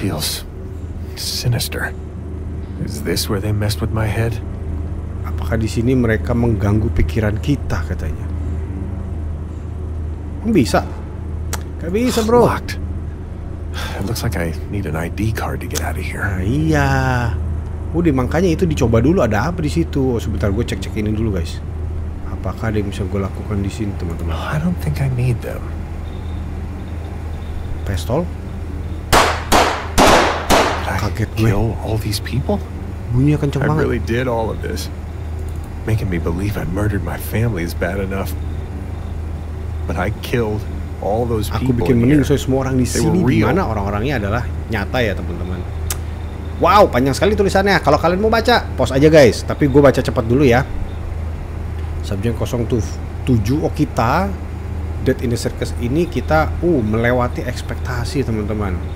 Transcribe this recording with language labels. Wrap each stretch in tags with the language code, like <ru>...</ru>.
<en>Feels sinister. Is this where they messed with my head?</en> <id>Apakah di sini mereka mengganggu pikiran kita, katanya? Bisa? Gak bisa, bro.</id> <en>Locked. It looks like I need an ID card to get out of here.</en> <id>Nah, iya. Udah, makanya itu dicoba dulu ada apa di situ. Oh, sebentar gue cek ini dulu, guys. Apakah ada yang bisa gue lakukan di sini, teman-teman?</id> <en>I don't think I need them.</en> <id>Pistol? Kaget gue.</id> <en>Kill all these people?</en> <id>Bunyinya kenceng banget.</id> <en>I really did all of this. Making me believe I murdered my family is bad enough. But I killed all those people.</en> <id>Aku bikin meninggal semua orang di sini. Di mana orang-orangnya adalah nyata ya, teman-teman. Wow, panjang sekali tulisannya. Kalau kalian mau baca, pause aja, guys. Tapi gue baca cepat dulu ya. Subjek 07. Oh, kita Dead in the Circus ini kita melewati ekspektasi, teman-teman.</id>